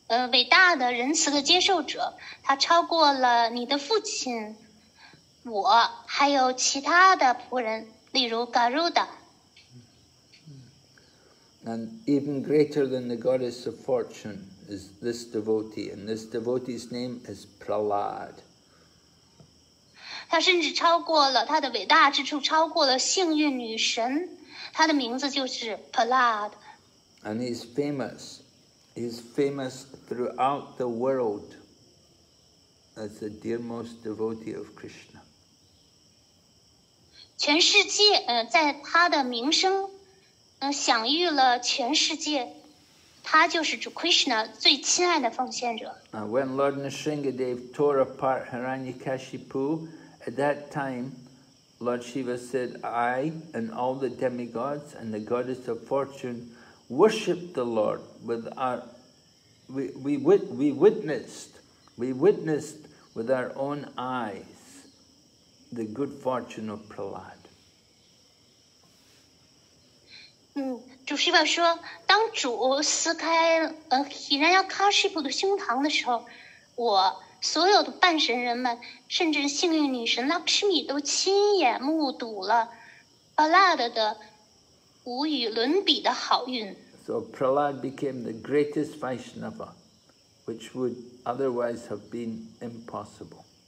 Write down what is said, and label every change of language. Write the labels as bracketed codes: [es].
[zh] 伟大的仁慈的接受者，他超过了你的父亲、我还有其他的仆人，例如 Garuda。 [en] And even greater than the goddess of fortune is this devotee, and this devotee's name is Prahlad. [zh] 他甚至超过了他的伟大之处，超过了幸运女神，他的名字就是 Prahlad. [en] And he's famous. He's famous throughout the world as the dearmost devotee of Krishna. [zh] 全世界，在他的名声。享誉了全世界，他就是主 Krishna 最亲爱的奉献者。 [en] When Lord Nrisimhadev tore apart Hiranyakashipu, at that time, Lord Shiva said, "I and all the demigods and the goddess of fortune worship the Lord with our we witnessed with our own eyes the good fortune of Prahlad." [zh] 主释迦说，当主撕开毗然要喀什普的胸膛的时候，我所有的半神人们，甚至幸运女神拉克什米都亲眼目睹了 Prahlad 的无与伦比的好运。 [en] So Prahlad became the greatest Vaishnava, which would otherwise have been impossible.